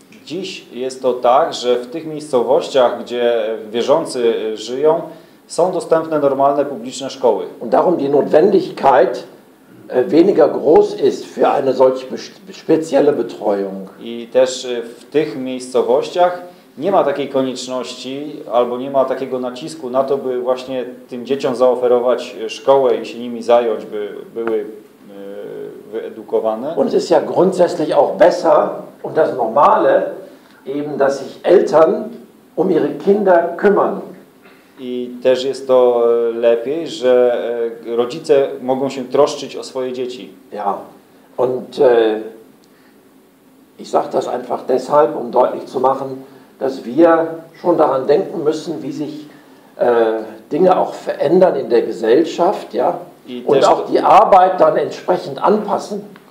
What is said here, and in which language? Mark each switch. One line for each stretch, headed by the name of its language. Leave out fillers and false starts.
Polish: Dziś jest to tak, że w tych miejscowościach, gdzie wierzący żyją, są dostępne normalne publiczne szkoły.
German: Und darum die Notwendigkeit weniger groß ist für eine solche spezielle Betreuung.
Polish: I też w tych miejscowościach nie ma takiej konieczności albo nie ma takiego nacisku na to, by właśnie tym dzieciom zaoferować szkołę i się nimi zająć, by były wyedukowane.
German: Und es ist ja grundsätzlich auch besser und das Normale eben, dass sich Eltern um ihre Kinder kümmern.
Polish: I też jest to lepiej, że rodzice mogą się troszczyć o swoje dzieci.
German: Ja. Und ich sag das einfach deshalb, um deutlich zu machen, dass wir schon daran denken müssen, wie sich Dinge auch verändern in der Gesellschaft, ja? Und auch die Arbeit dann entsprechend anpassen.